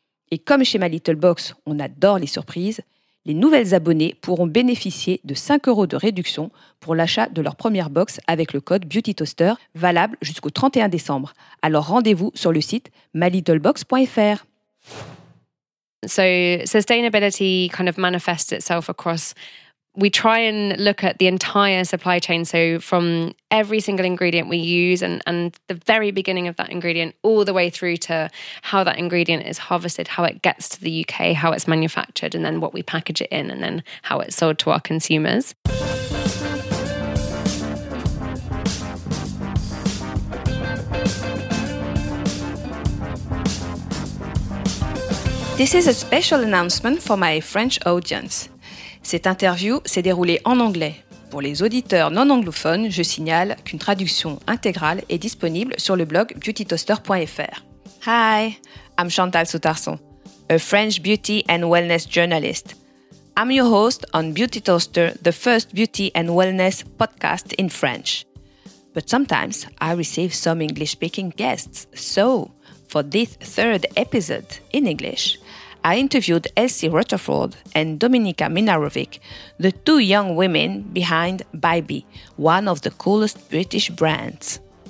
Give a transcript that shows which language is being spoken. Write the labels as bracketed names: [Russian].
[French] Et comme chez My Little Box, on adore les surprises, les nouvelles abonnées pourront bénéficier de 5 euros de réduction pour l'achat de leur première box avec le code BeautyToaster, valable jusqu'au 31 décembre. Alors rendez-vous sur le site mylittlebox.fr. [English] So sustainability kind of manifests itself across... We try and look at the entire supply chain, so from every single ingredient we use and the very beginning of that ingredient all the way through to how that ingredient is harvested, how it gets to the UK, how it's manufactured, and then what we package it in, and then how it's sold to our consumers. This is a special announcement for my French audience. [French] Cette interview s'est déroulée en anglais. Pour les auditeurs non anglophones, je signale qu'une traduction intégrale est disponible sur le blog beautytoaster.fr. [English] Hi, I'm Chantal Soutarson, a French beauty and wellness journalist. I'm your host on Beauty Toaster, the first beauty and wellness podcast in French. But sometimes I receive some English-speaking guests. So, for this third episode in English, I interviewed Elsie Rutherford and Dominika Minarovic, the two young women behind Bybee, one of the coolest British brands.